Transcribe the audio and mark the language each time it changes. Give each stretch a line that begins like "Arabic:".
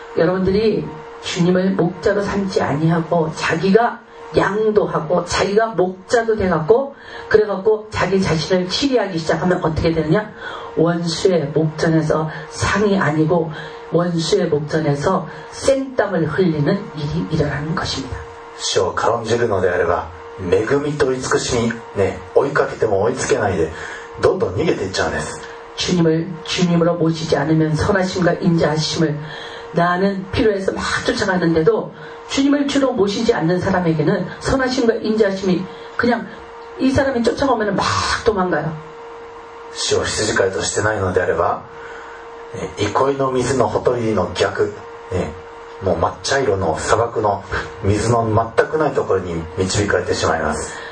Korean: 여러분들이 주님을 목자로 삼지 아니하고 자기가 양도 하고 자기가 목자도 돼갖고 그래갖고 자기 자신을 치리하기 시작하면 어떻게 되느냐, 원수의 목전에서 상이 아니고 원수의 목전에서 생땀을 흘리는 일이 일어나는 것입니다.
Japanese: 主を軽んじるのであれば恵みと慈しみね追いかけても追いつけないでどんどん逃げていっちゃうんです。
Korean: 주님을 주님으로 모시지 않으면 선하심과 인자하심을 나는 필요해서 막 쫓아가는데도 주님을 주로 모시지 않는 사람에게는 선하심과 인자심이 그냥 이 사람이 쫓아오면 막 도망가요. 주를
Japanese: 羊飼いとしてないのであれば、憩いの水のほとりの逆、もう抹茶色の砂漠の水の全くないところに導かれてしまいます。